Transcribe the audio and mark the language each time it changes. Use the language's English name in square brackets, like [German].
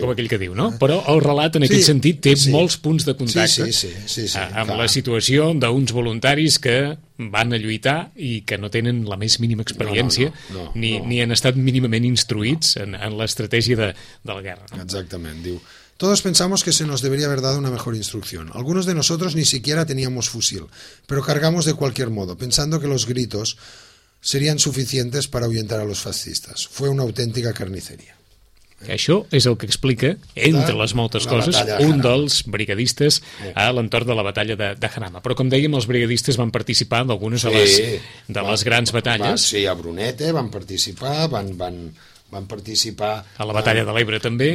[Catalan] com aquell que diu. No? Però el relat, en aquest sentit, té molts punts de contacte amb la situació d'uns voluntaris que van a lluitar i que no tenen la més mínima experiència ni han estat mínimament instruïts en l'estratègia de la guerra. No? Exactament, diu... [Spanish] Todos pensamos que se nos debería haber dado una mejor instrucción. Algunos de nosotros ni siquiera teníamos fusil, pero cargamos de cualquier modo, pensando que los gritos serían suficientes para ahuyentar a los fascistas. Fue una auténtica carnicería. [Catalan] Això és el que explica, entre les moltes coses, un dels brigadistes a l'entorn de la batalla de Jarama. Però, com dèiem, els brigadistes van participar en algunes de les grans batalles. Sí, a Brunete van participar, van participar... A la batalla de l'Ebre, també.